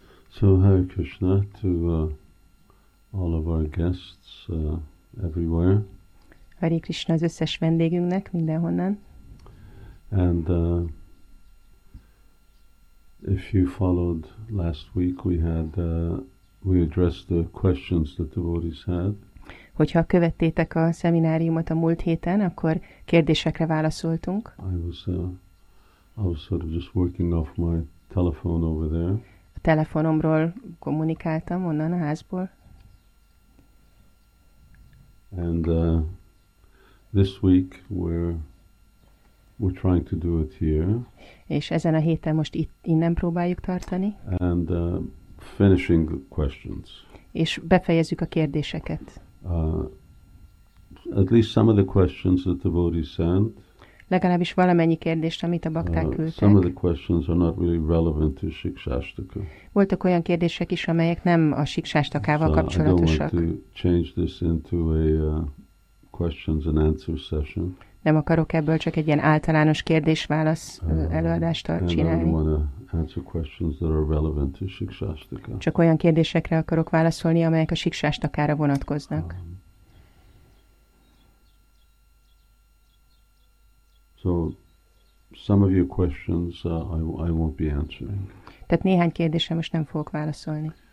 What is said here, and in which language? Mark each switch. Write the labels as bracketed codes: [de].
[en] So Hare Krishna to all of our guests everywhere. [hu] Hare Krishna az összes vendégünknek mindenhonnan. [en] And if you followed last week, we addressed the questions that the devotees had. [hu] Hogyha követtétek a szemináriumot a múlt héten, akkor kérdésekre válaszoltunk. [en] I was sort of just working off my telephone over there. [hu] Telefonomról kommunikáltam onnan a házból. [en] And this week we're trying to do it here. [hu] És ezen a héten most itt innen próbáljuk tartani. [en] And finishing the questions. [hu] És befejezzük a kérdéseket. [en] At least some of the questions that the devotees sent. [hu] Legalábbis valamennyi kérdést, amit a bakták küldtek. [en] Some of the questions are not really relevant to Shikshashtaka. [hu] Voltak olyan kérdések is, amelyek nem a Shikshashtakával kapcsolatosak. [en] I don't want to change this into a questions and answers session. [hu] Nem akarok ebből csak egy ilyen általános kérdés-válasz előadást csinálni. [en] I don't want to answer questions that are relevant to Shikshashtaka. [hu] Csak olyan kérdésekre akarok válaszolni, amelyek a Shikshashtakára vonatkoznak. [en] So some of your questions I won't be answering. [hu] Tehát néhány kérdésre most nem fogok válaszolni.